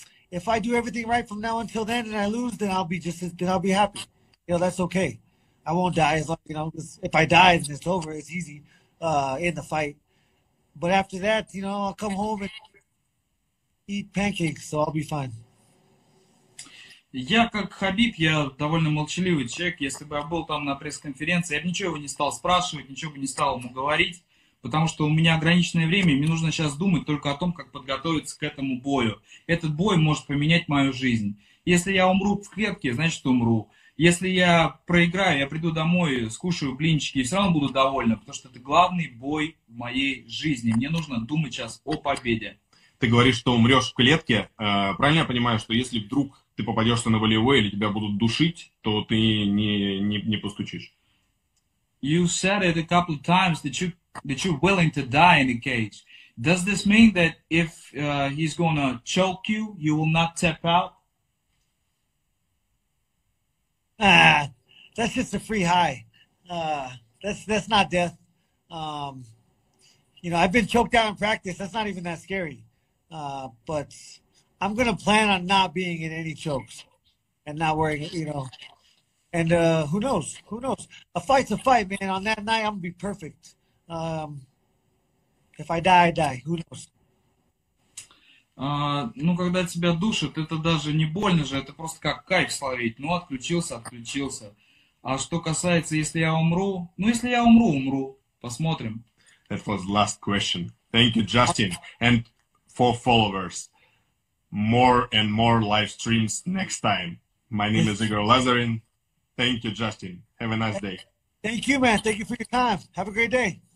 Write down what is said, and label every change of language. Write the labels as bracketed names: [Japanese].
[English] If I do everything right from now until then and I lose, then I'll be happy. You know, that's okay. I won't die as long, you know, because if I die, then it's over. It's easy in the fight. But after that, you know, I'll come home and eat pancakes, so I'll be fine. [Russian] Я как Хабиб, я довольно молчаливый человек. Если бы я был там на пресс-конференции, я бы ничего бы не стал спрашивать, ничего бы не стал ему говорить. Потому что у меня ограниченное время, мне нужно сейчас думать только о том, как подготовиться к этому бою. Этот бой может поменять мою жизнь. Если я умру в клетке, значит умру. Если я проиграю, я приду домой, скушаю блинчики и все равно буду довольна, потому что это главный бой в моей жизни. Мне нужно думать сейчас о победе. Ты говоришь, что умрешь в клетке. Правильно я понимаю, что если вдруг ты попадешься на волевой или тебя будут душить, то ты не постучишь. [English] You said it a couple of times that you're willing to die in the cage. Does this mean that if he's gonna choke you, you will not tap out? That's just a free high. That's not death. You know, I've been choked out in practice. That's not even that scary. But I'm gonna plan on not being in any chokes and not wearing it, you know. And who knows? Who knows? A fight's a fight, man. On that night, I'm gonna be perfect. If I die, I die. Who knows? [Russian] Ну, когда тебя душат, это даже не больно же, это просто как кайф словить. Ну, отключился, отключился. А что касается, если я умру, ну, если я умру, умру. Посмотрим. [English] That was the last question. Thank you, Justin. And for followers, more and more live streams next time. My name is Igor Lazarin. Thank you, Justin. Have a nice day. Thank you, man. Thank you for your time. Have a great day.